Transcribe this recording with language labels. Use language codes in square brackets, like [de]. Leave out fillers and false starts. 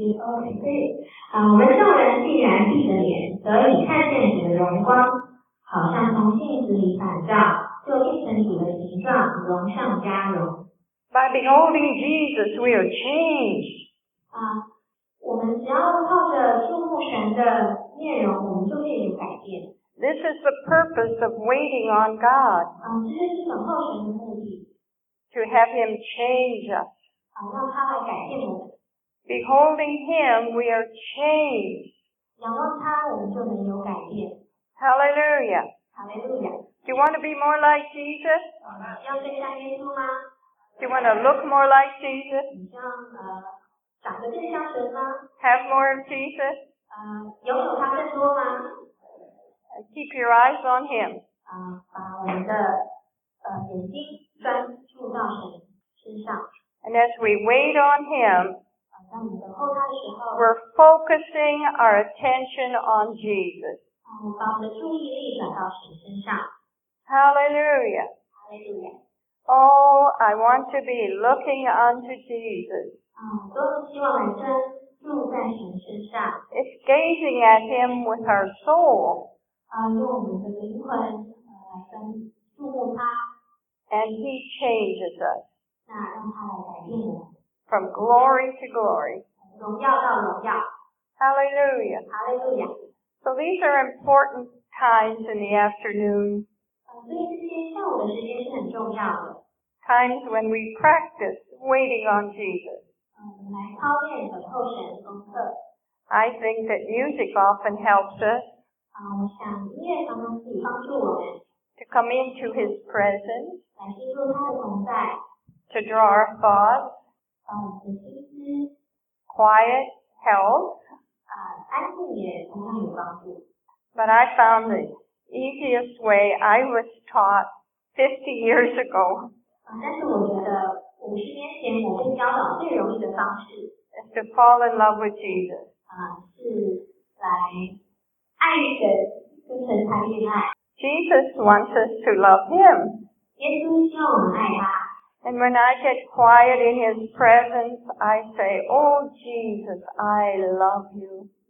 [zh] 我们众人既然闭着眼，得以看见主的荣光，好像从镜子里反照，就变成主的形状，荣上加荣。 [en] By beholding Jesus, we are changed. [zh] 我们只要靠着注目神的面容，我们就会有改变。 [en] This is the purpose of waiting on God. [zh] 这是等候神的目的。 [en] To have him change us. [zh] 让他来改变我们。 [en] Beholding him, we are changed. [zh] 仰望他，我们就能有改变。 [en] Hallelujah. Hallelujah. Do you want to be more like Jesus? [zh] 要更像耶稣吗？ [en] Do you want to look more like Jesus? [zh] 你像长得更像神吗？ [en] Have more of Jesus. [zh] 拥有他更多吗？ [en] Keep your eyes on him. [zh] 把我们的眼睛专注到神身上。 [en] And as we wait on him, [zh] 当我们等候他的时候， [en] we're focusing our attention on Jesus. [zh] 让我把我的注意力转到神身上。 [en] Hallelujah. Hallelujah. Oh, I want to be looking unto Jesus. [zh] 都希望能专注在神身上。 [en] It's gazing at him with our soul. [zh] 用我们的灵魂来专注目他。 [en] And he changes us. [zh] 那让他来改变我。 [en] From glory to glory. [zh] 荣耀到荣耀。 [en] Hallelujah. Hallelujah. So these are important times in the afternoon. [zh] 所以这些下午的时间是很重要的。 [en] Times when we practice waiting on Jesus. [zh] 来操练等候神的功课。 [en] I think that music often helps us. [zh] 我想音乐常常可以帮助我们。 [en] To come into his presence. [zh] 来进入他的同在。 [en] To draw our thoughts. [zh] 帮我们的心思。 [en] Quiet helps. [zh] 安静也同样有帮助。 [en] But I found the easiest way I was taught 50 years ago. [zh] 但是我觉得50年前我被教导最容易的方式。 [en] Is to fall in love with Jesus. [zh] 是来爱神，跟神谈恋爱。 [en] Jesus wants us to love him. [zh] 耶稣希望我们爱他。 [en] And when I get quiet in his presence, I say, Oh Jesus, I love you.